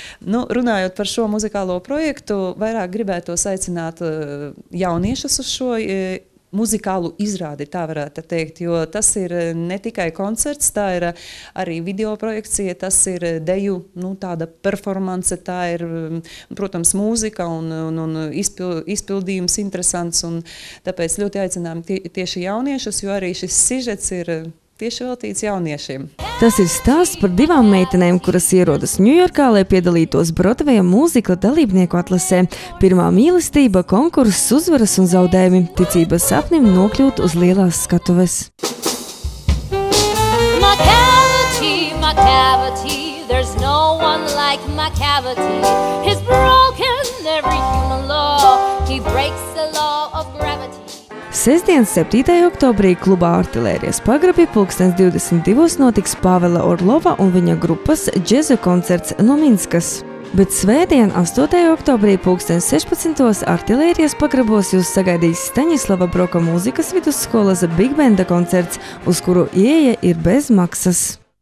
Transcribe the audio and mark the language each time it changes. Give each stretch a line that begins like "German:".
Latvian: Nu, runājot par šo muzikālo projektu, vairāk gribētos aicināt jauniešus uz šo muzikālu izrādi, tā varētu teikt, jo tas ir ne tikai koncerts, tā ir arī video projekcija, tas ir deju, nu, tāda performance, tā ir, protams, mūzika un izpildījums interesants, un tāpēc ļoti aicinām tieši jauniešus, jo arī šis sižets ir tieši veltīts jauniešiem. Tas ir stāsts par divām meitenēm, kuras ierodas Ņujorkā, lai piedalītos Brodveja mūzikla dalībnieku atlasē. Pirmā mīlestība, konkurss, uzvaras un zaudējumi, ticības sapnim nokļūt uz lielās skatuves.
English: Macavity, Macavity, there's no one like Macavity. He's broken every human law, he breaks the law of gravity.
Latvian: Sestdien 7. Oktobrī klubā Artilērijas pagrabi 2022. Notiks Pāvela Orlova un viņa grupas džezu koncerts no Minskas. Bet svētdien 8. Oktobrī 2016. Artilērijas pagrabos jūs sagaidīs Staņislava Broka mūzikas vidusskolas Big Benda koncerts, uz kuru ieeja ir bez maksas.